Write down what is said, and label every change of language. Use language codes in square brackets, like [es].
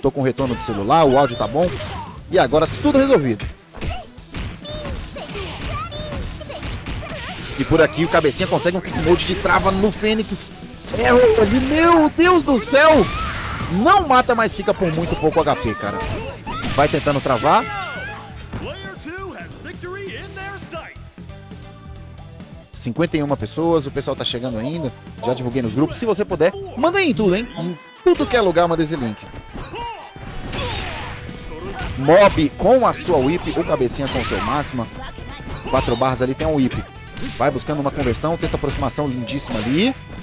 [pt] Tô com o retorno do celular. O áudio tá bom. E agora tudo resolvido. E por aqui o cabecinha consegue um kick mode de trava no Fênix. É, meu Deus do céu. Não mata, mas fica por muito pouco HP, cara. Vai tentando travar. [en] Player 2 has victory in their sights. [pt] 51 pessoas, o pessoal tá chegando ainda. Já divulguei nos grupos. Se você puder, manda aí em tudo, hein? Em tudo que é lugar, manda esse link. Mob com a sua whip, o cabecinha com o seu máxima. 4 barras ali, tem um whip. Vai buscando uma conversão, tenta aproximação lindíssima ali.